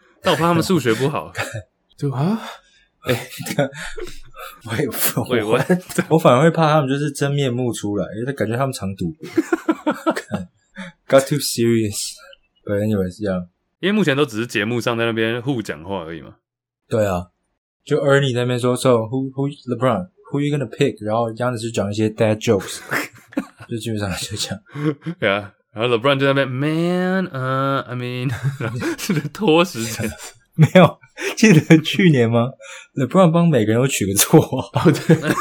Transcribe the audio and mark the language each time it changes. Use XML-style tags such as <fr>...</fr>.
<zh>但我怕他们数学不好。对啊，哎、欸，我反而会怕他们就是真面目出来，因为感觉他们常赌。</zh> <en>Got too serious，</en> <zh>对，因为是这样。因为目前都只是节目上在那边互讲话而已嘛。对啊，就 Ernie 在那边说</zh> <en>，So who LeBron who you gonna pick？</en> <zh>然后Giannis就讲一些 dad jokes， 就基本上就这样。对啊。然后 LeBron 就在那边 ，</zh> <en>Man， I mean，</en> <zh>是不是拖时间？没有，记得去年吗？LeBron 帮每个人都取个绰号，对，</zh>